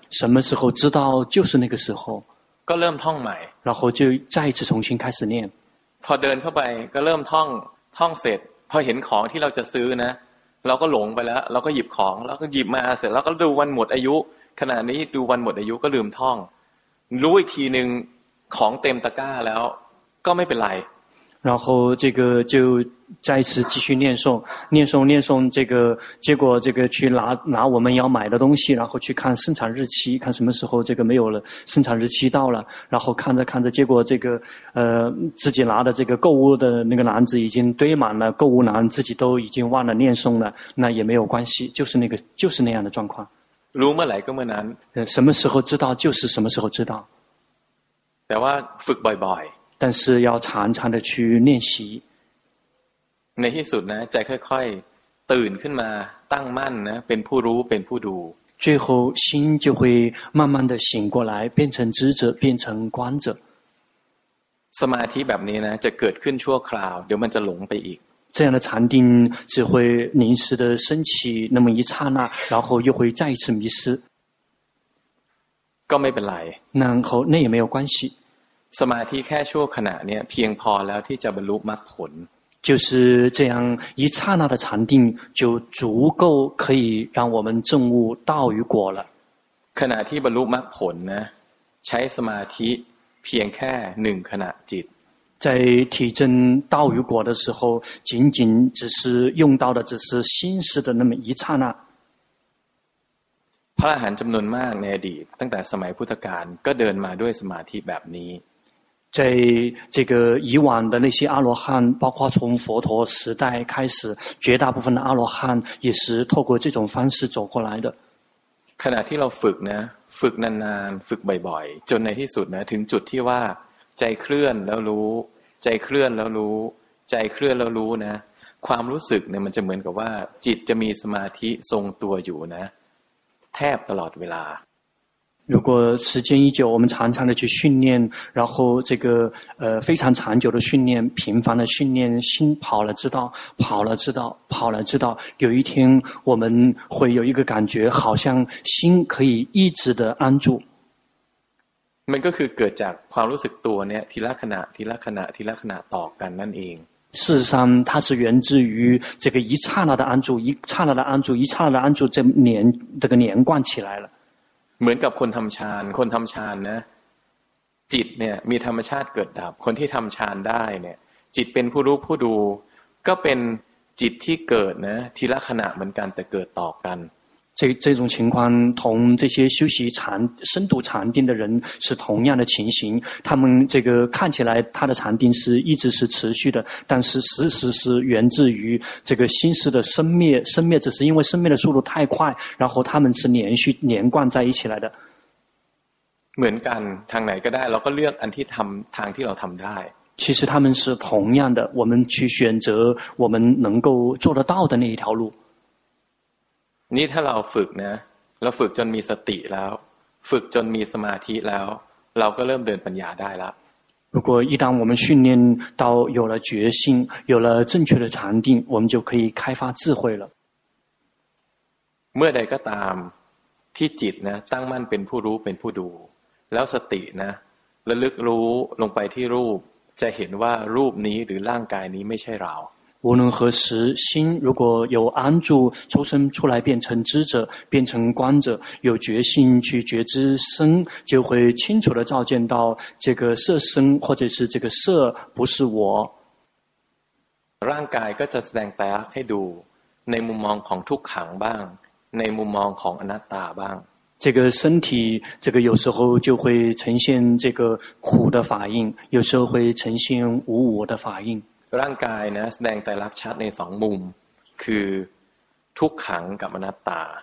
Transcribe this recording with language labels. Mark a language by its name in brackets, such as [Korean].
[Chinese] 什么时候知道就是那个时候 [Thai] ก็เริ่มท่องใหม่ [Chinese] 然后就再一次重新开始念 [Thai] พอเดินเข้าไปก็เริ่มท่องเสร็จพอเห็นของที่เราจะซื้อนะเราก็หลงไปแล้วเราก็หยิบของแล้วก็หยิบมาเสร็จแล้วก็ดูวันหมดอายุขณะนี้ดูวันหมดอายุก็ลืมท่องรู้อีกทีนึงของเต็มตะกร้าแล้วก็ไม่เป็นไร [Chinese] 然后这个就再次继续念诵，念诵念诵，这个结果这个去拿我们要买的东西，然后去看生产日期，看什么时候这个没有了，生产日期到了，然后看着看着，结果这个自己拿的这个购物的那个篮子已经堆满了，购物篮自己都已经忘了念诵了，那也没有关系，就是那个就是那样的状况。如果来跟我们什么时候知道就是什么时候知道。 [Thai] แต่ว่าฝึกบ่อย [Chinese] ๆ但是要常常的去练习 [Thai] ในที่สุดนะใจค่อยๆตื่นขึ้นมาตั้งมั่นนะเป็นผู้รู้เป็นผู้ดู [Chinese] 最后心就会慢慢的醒过来变成知者变成观者 [Thai] สมาธิแบบนี้นะจะเกิดขึ้นชั่วคราวเดี๋ยวมันจะหลงไปอีก [Chinese] 这样的禅定只会临时的升起那么一刹那然后又会再一次迷失 [Thai] ก็ไม่เป็นไร [Chinese] 然后那也没有关系 [Thai] สมาธิแค่ชั่วขณะเนี่ยเพียงพอแล้วที่จะบรรลุมรรคผล [Chinese] 就是这样一刹那的禅定就足够可以让我们证悟道与果了 [Thai] ขณะที่บรรลุมรรคผลนะใช้สมาธิเพียงแค่หนึ่งขณะจิต [Chinese] 在体证道与果的时候仅仅只是用到的只是心识的那么一刹那 [Thai] พระอรหันต์จำนวนมากในอดีตตั้งแต่สมัยพุทธกาลก็เดินมาด้วยสมาธิแบบนี้ [Chinese] 在这个以往的那些阿罗汉包括从佛陀时代开始绝大部分的阿罗汉也是透过这种方式走过来的 [Thai] ขณะที่เราฝึกนะฝึกนานๆฝึกบ่อยๆจนในที่สุดนะถึงจุดที่ว่าใจเคลื่อนแล้วรู้ใจเคลื่อนแล้วรู้ใจเคลื่อนแล้วรู้นะความรู้สึกเนี่ยมันจะเหมือนกับว่าจิตจะมีสมาธิทรงตัวอยู่นะแทบตลอดเวลา [Chinese] 如果时间一久我们常常的去训练然后这个非常长久的训练频繁的训练心跑了知道跑了知道跑了知道有一天我们会有一个感觉好像心可以一直的安住 [Thai] มันก็คือเกิดจากความรู้สึกตัวเนี่ยทีละขณะทีละขณะทีละขณะต่อกันนั่นเอง [Chinese] 事实上它是源自于这个一刹那的安住一刹那的安住一刹那的安住这个连贯起来了 [Thai] เหมือนกับคนทำฌานคนทำฌานนะจิตเนี่ยมีธรรมชาติเกิดดับคนที่ทำฌานได้เนี่ยจิตเป็นผู้รู้ผู้ดูก็เป็นจิตที่เกิดนะทีละขณะเหมือนกันแต่เกิดต่อกัน [Chinese] 这种情况同这些修习禅深度禅定的人是同样的情形他们这个看起来他的禅定是一直是持续的但是实时是源自于这个心识的生灭生灭只是因为生灭的速度太快然后他们是连续连贯在一起来的 [Thai] เหมือนกันทางไหนก็ได้เราก็เลือกอันที่ทำทางที่เราทำได้ [Chinese] 其实他们是同样的我们去选择我们能够做得到的那一条路 [Thai] นี่ถ้าเราฝึกนะเราฝึกจนมีสติแล้วฝึกจนมีสมาธิแล้วเราก็เริ่มเดินปัญญาได้ละ [Chinese] 如果一旦我们训练到有了决心有了正确的禅定我们就可以开发智慧了 [Thai] เมื่อใดก็ตามที่จิตนะตั้งมั่นเป็นผู้รู้เป็นผู้ดูแล้วสตินะระลึกรู้ลงไปที่รูปจะเห็นว่ารูปนี้หรือร่างกายนี้ไม่ใช่เรา [Chinese] 无论何时心如果有安住抽身出来变成知者变成观者有决心去觉知身就会清楚地照见到这个色身或者是这个色不是我 [Thai] ร่างกายก็จะแสดงไตรลักษณ์ให้ดูในมุมมองของทุกขังบ้างในมุมมองของอนัตตาบ้าง [Chinese] 这个身体这个有时候就会呈现这个苦的法印有时候会呈现无我的法印 [Thai] ร่างกายนะแสดงไตรลักษณ์ชัดในสองมุมคือทุกขังกับอนัตตา